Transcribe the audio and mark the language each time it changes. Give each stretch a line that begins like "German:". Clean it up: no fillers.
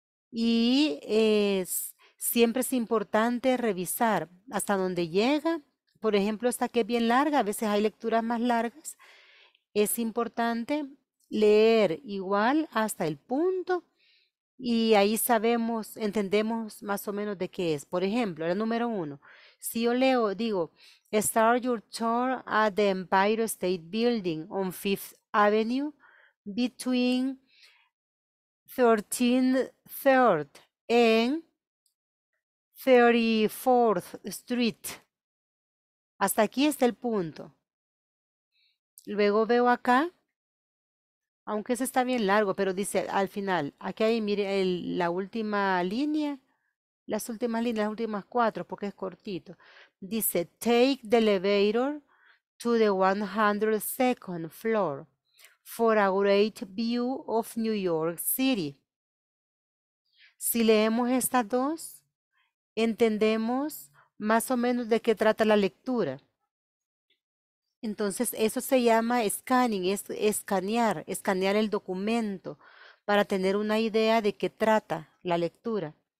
Spanish: Y siempre es importante revisar hasta dónde llega. Por ejemplo, esta que es bien larga, a veces hay lecturas más largas. Es importante leer igual hasta el punto y ahí sabemos, entendemos más o menos de qué es. Por ejemplo, la número uno. Si yo leo, digo,
English: start your tour at the Empire State Building on Fifth Avenue between 13th and 34th Street.
Spanish: Hasta aquí está el punto. Luego veo acá, aunque ese está bien largo, pero dice al final, aquí hay, mire, la última línea, las últimas líneas, las últimas cuatro, porque es cortito. Dice,
English: take the elevator to the 102nd floor for a great view of New York City.
Spanish: Si leemos estas dos, entendemos más o menos de qué trata la lectura. Entonces, eso se llama scanning, es escanear el documento para tener una idea de qué trata la lectura.